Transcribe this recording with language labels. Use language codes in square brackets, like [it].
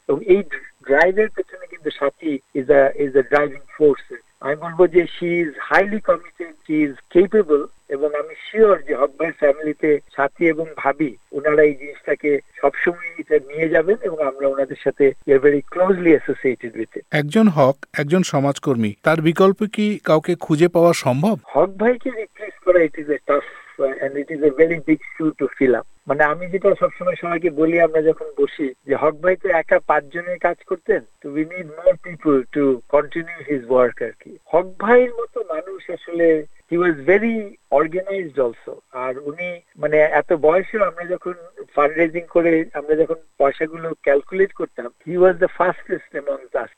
[bn] এবং এই ড্রাইভের পেছনে কিন্তু সাথী [en] Is a driving force. [bn] আমি বলবো যে [en] she is highly committed, she is capable, [bn] এবং আমি শিওর যে হকবাই ফ্যামিলিতে সাথী এবং ভাবি ওনারা এই জিনিসটাকে সবসময় এটা নিয়ে যাবেন এবং আমরা ওনাদের সাথে [en] Very closely associated with it. [bn] একজন হক, একজন সমাজকর্মী, তার বিকল্প কি কাউকে খুঁজে পাওয়া সম্ভব? হক ভাইকে রিপ্লেস করা [en] It is a tough and it is a very big shoe to fill up. [bn] মানে আমি যেটা সবসময় সবাইকে বলি আমরা যখন বসি যে হক ভাই তো একা পাঁচজনের কাজ করতেন, তো [en] we need more people to continue his work [bn] আর কি। হক ভাইয়ের মতো মানুষ আসলে [en] he was very organised also, [bn] আর উনি মানে এত বয়সে আমরা যখন ফান্ড রেজিং করে আমরা যখন পয়সাগুলো ক্যালকুলেট করতাম [en] He was the fastest among us.